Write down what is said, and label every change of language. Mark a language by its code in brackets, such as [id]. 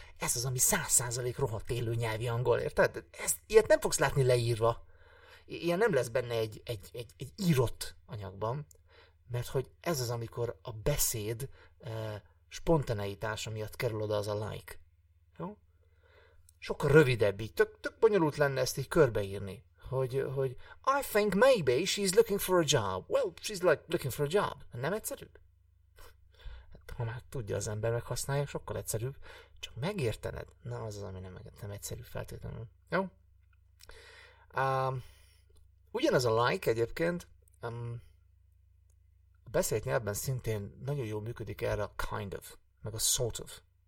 [hu] Ez az, ami 100% rohadt élő nyelvi angol, érted? Ezt, ilyet nem fogsz látni leírva. Ilyen nem lesz benne egy írott anyagban, mert hogy ez az, amikor a beszéd spontaneitása miatt kerül oda az a like. Jó? Sokkal rövidebb így, tök bonyolult lenne ezt így körbeírni. [en] Hogy I think maybe she's looking for a job. Well, she's like looking for a job. [hu] Nem egyszerűbb? Hát, ha már tudja az ember meghasználja, sokkal egyszerűbb. Csak megértened? Na, az az, ami nem egyszerű feltétlenül. Jó? Ugyanaz a like egyébként. A beszélt nyelvben szintén nagyon jól működik erre a kind of, meg a sort of.